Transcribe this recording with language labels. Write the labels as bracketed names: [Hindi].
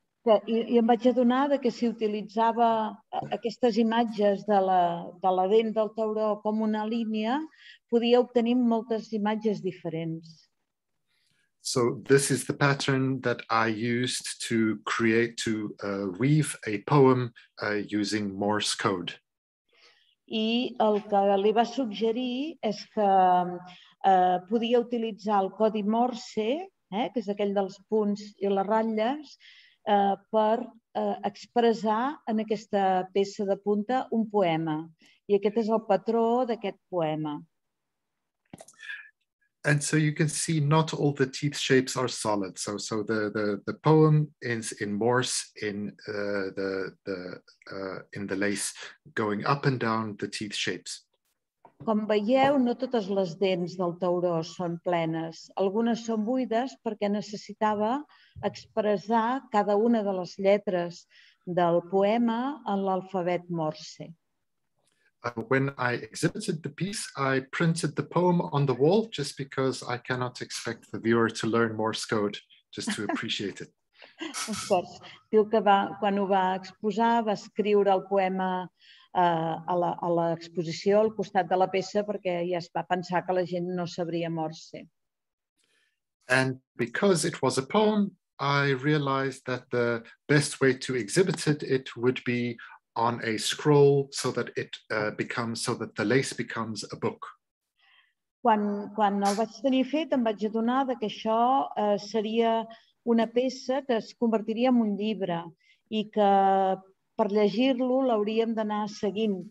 [Catalan] I em vaig adonar que si utilitzava aquestes imatges de la dent del tauró com una línia, podia obtenir moltes imatges diferents. [English] So this is the pattern that I used to create, to weave a poem using Morse code. [Catalan] I el que li va suggerir és que podia utilitzar el codi Morse, que és aquell dels punts i les ratlles, per expressar en aquesta peça de punta un poema. I aquest és el patró d'aquest poema. [English] And so you can see not all the teeth shapes are solid. So the poem is in Morse in the lace going up and down the teeth shapes. [Catalan] Com veieu, no totes les dents del tauró són plenes. Algunes són buides perquè necessitava expressar cada una de les lletres del poema en l'alfabet Morse. [English] When I exhibited the piece, I printed the poem on the wall just because I cannot expect the viewer to learn Morse code just to appreciate it. Of course. [Catalan] Diu que quan ho va exposar, va escriure el poema a l'exposició, al costat de la peça, perquè ja es va pensar que la gent no sabria Morse. [English] And because it was a poem, I realized that the best way to exhibit it would be on a scroll so that the lace becomes a book. [Catalan] Quan el vaig tenir fet, em vaig adonar que això seria una peça que es convertiria en un llibre i que per llegir-lo l'hauríem d'anar seguint.